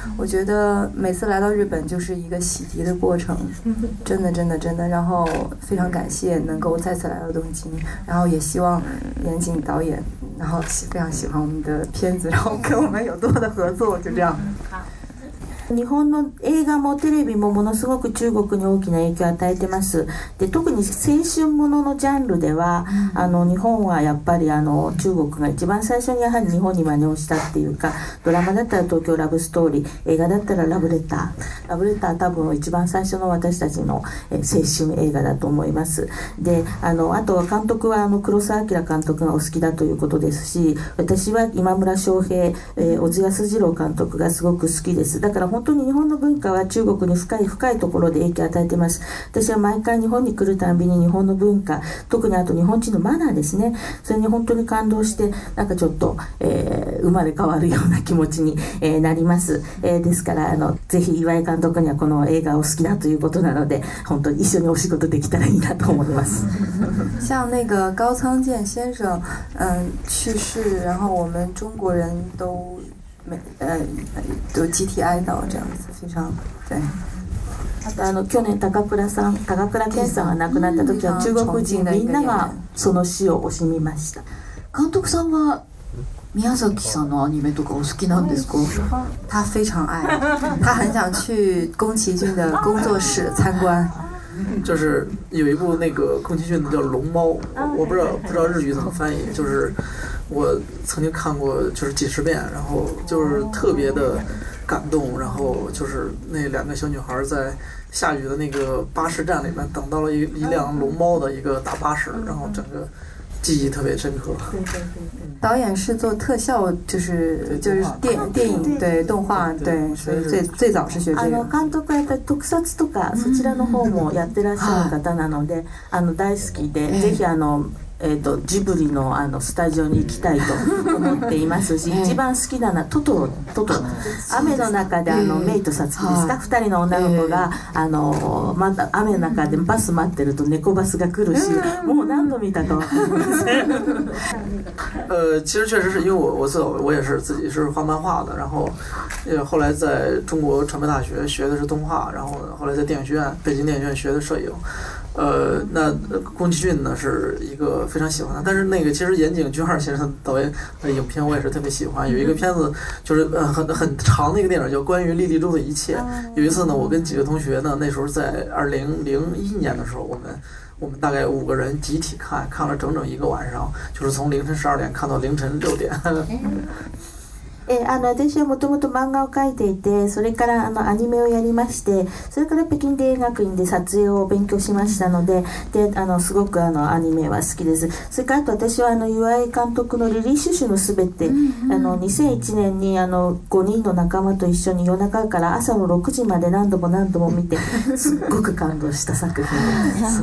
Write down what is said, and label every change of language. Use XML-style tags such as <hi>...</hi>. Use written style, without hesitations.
<zh>我觉得每次来到日本就是一个洗涤的过程，真的真的真的。然后非常感谢能够再次来到东京，然后也希望岩井导演，然后非常喜欢我们的片子，然后跟我们有多的合作，就这样。</zh> <ja>日本の映画もテレビもものすごく中国に大きな影響を与えてます。で特に青春もののジャンルでは、あの日本はやっぱりあの中国が一番最初にやはり日本に真似をしたっていうか、ドラマだったら東京ラブストーリー、映画だったらラブレター、多分一番最初の私たちの青春映画だと思います。で あとは監督はあの黒澤明監督がお好きだということですし、私は今村翔平、小津安二郎監督がすごく好きです。だから本当に日本の文化は中国に深い深いところで影響を与えています。私は毎回日本に来るたびに日本の文化、特にあと日本人のマナーですね、それに本当に感動して、なんかちょっと、生まれ変わるような気持ちに、なります。ですからぜひ岩井監督にはこの映画を好きだということなので、本当に一緒にお仕事できたらいいなと思います。</ja> <zh>像那个高仓健先生去世，然后我们中国人都都集体哀悼，这样子非常对。</zh> <ja>あと去年高倉健さんが亡くなった時は中国人みんながその死を惜しみました。監督さんは宮崎さんのアニメとかお好きなんですか？</ja> <zh>他非常爱他很想去宫崎骏的工作室参观就是有一部那个宫崎骏的叫《龙猫》，我不知道日语怎么翻译，就是我曾经看过就是几十遍，然后就是特别的感动，然后就是那两个小女孩在下雨的那个巴士站里面等到了一辆龙猫的一个大巴士，然后整个记忆特别深刻。导演是做特效，就是电影对动画，对，所以最早是学这个。</zh> <ja>監督は特撮とかそちらの方もやってらっしゃる方なので、大好きで、ぜひジブリのスタジオに行きたいと思っていますし、一番好きなのはトト雨の中でメイとサツキですか、二人の女の子がまた雨の中でバス待ってると猫バスが来るし、もう何度見たか分かりません。</ja> <zh>其实确实是因为我也是自己是画漫画的，然后后来在中国传媒大学学的是动画，然后后来在电影学院北京电影学院学的摄影。那宫崎骏呢是一个非常喜欢的，但是那个其实岩井俊二先生导演的影片我也是特别喜欢，有一个片子就是很长的一个电影叫《关于莉莉周的一切》。有一次呢，我跟几个同学呢，那时候在2001年的时候，我们大概五个人集体看了整整一个晚上，就是从凌晨12点看到凌晨6点。</zh> <ja>私はもともと漫画を描いていて、それからアニメをやりまして、それから北京電影学院で撮影を勉強しましたので、すごくアニメは好きです。それからあと私は岩井監督のリリーシュシュのすべて、2001年に5人の仲間と一緒に夜中から朝の6時まで何度も見て、すっごく感動した作品です。</ja>